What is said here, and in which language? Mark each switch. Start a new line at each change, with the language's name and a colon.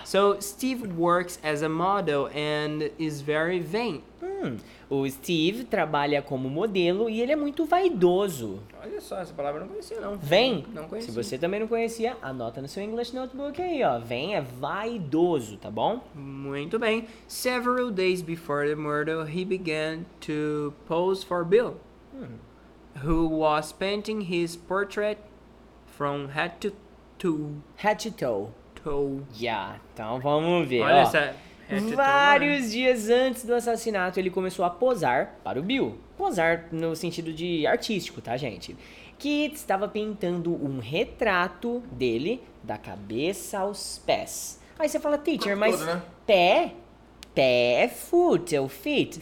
English: So, Steve works as a model and is very vain.
Portuguese: O Steve trabalha como modelo e ele é muito vaidoso. Olha só, essa palavra eu não conhecia, não.
English: Vain?
Portuguese: Não conhecia. Se você também não conhecia, anota no seu English Notebook aí, ó. Vain é vaidoso, tá bom? Muito bem.
English: Several days before the murder, he began to pose for Bill, who was painting his portrait from head to toe.
Portuguese: Yeah, então vamos ver. Olha essa. Vários dias antes do assassinato, ele começou a posar para o Bill. Posar no sentido de artístico, tá, gente? Que estava pintando um retrato dele da cabeça aos pés. Aí você fala, teacher, mas pé? Pé é foot, é o feet.